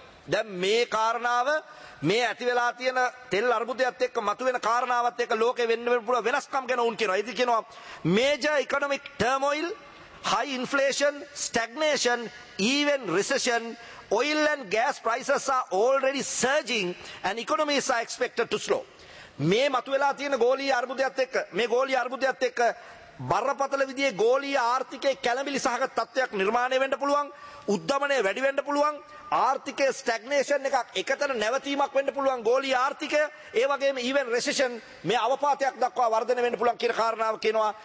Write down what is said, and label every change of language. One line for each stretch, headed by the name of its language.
Sinhala: දැන් මේ කාරණාව, මේ ඇති වෙලා තියෙන තෙල් අර්බුදයත් එක්ක මතුවෙන කාරණාවත් එක්ක ලෝකෙ වෙන්න පුළුවන් වෙනස්කම් ගැන උන් කියනවා. ඉතින් කියනවා
English: major economic turmoil, high inflation, stagnation, even recession, oil and gas prices are already surging and economies are expected to slow.
Sinhala: මේ මතුවෙලා තියෙන ගෝලීය අර්බුදයත් එක්ක, මේ ගෝලීය අර්බුදයත් එක්ක බරපතල විදිහේ ගෝලීය ආර්ථිකයේ කැළඹිලි සහගත තත්ත්වයක් නිර්මාණය වෙන්න පුළුවන්, උද්දමනය වැඩි වෙන්න පුළුවන්, ආර්ථිකයේ ස්ටැග්නේෂන් එකක්, එකතන නැවතීමක් වෙන්න පුළුවන් ගෝලීය ආර්ථිකය, ඒ වගේම ඊවෙන් රෙසෙෂන් මේ අවපාතයක් දක්වා වර්ධනය වෙන්න පුළුවන් කියන කාරණාව කියනවා.